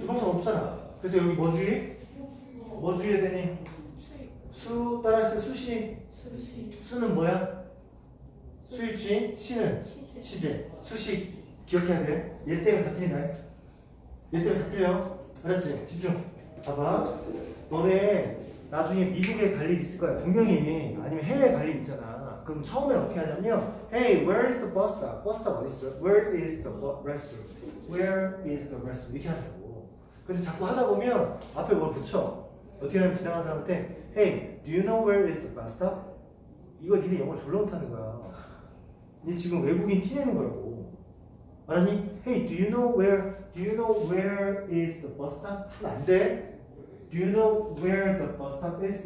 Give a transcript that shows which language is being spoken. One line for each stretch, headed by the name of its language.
Korean: 조동사 없잖아. 그래서 여기 뭐 주의? 뭐 주의해야 되니? 수. 따라하세요. 수시. 수는 뭐야? 수일치, 시는 시제, 수식 기억해야 돼. 얘 때문에 다 틀리나요? 얘 때문에 다 틀려. 알았지? 집중. 봐봐. 너네 나중에 미국에 갈 일 있을 거야. 분명히. 아니면 해외에 갈 일 있잖아. 그럼 처음에 어떻게 하냐면,
English: Hey, where is the bus stop?
Korean: Bus stop 어디 있어?
English: Where is the restroom? Where is the restroom? 이렇게 하자고.
Korean: 근데 자꾸 하다 보면 앞에 뭘 붙여. 어떻게 하면 지나가는 사람한테,
English: Hey, do you know where is the bus stop?
Korean: 이거 니네 영어 졸라 못하는 거야. 니 지금 외국인 티내는 거라고.
English: 알았니? Hey, do you know where? Do you know where is the bus stop?
Korean: 하면 안 돼.
English: Do you know where the bus stop is?